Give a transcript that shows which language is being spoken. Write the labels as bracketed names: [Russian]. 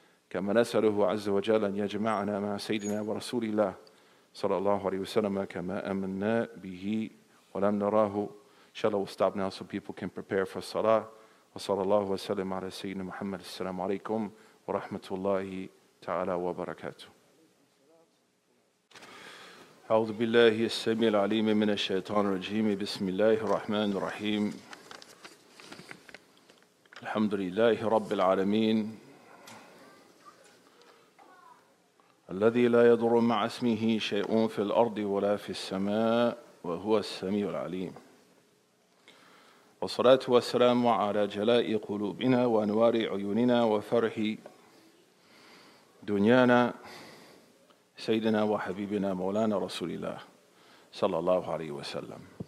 [Arabic] كما نسأله عز وجل أن يجمعنا مع سيدنا ورسول الله صلى الله عليه وسلم كما أمنا به ولم نراه إن شاء الله. [English] We'll stop now so people can prepare for salah. [Arabic] وصلى الله وسلم على سيدنا محمد. السلام عليكم ورحمة الله تعالى وبركاته. أعوذ بالله السميع العليم من الشيطان الرجيم. بسم الله الرحمن الرحيم. الحمد لله رب العالمين الذي لا يضر مع اسمه شيء في الأرض ولا في السماء وهو السميع العليم والصلاة والسلام على جلاء قلوبنا وأنوار عيوننا وفرح دنيانا سيدنا وحبيبنا مولانا رسول الله صلى الله عليه وسلم.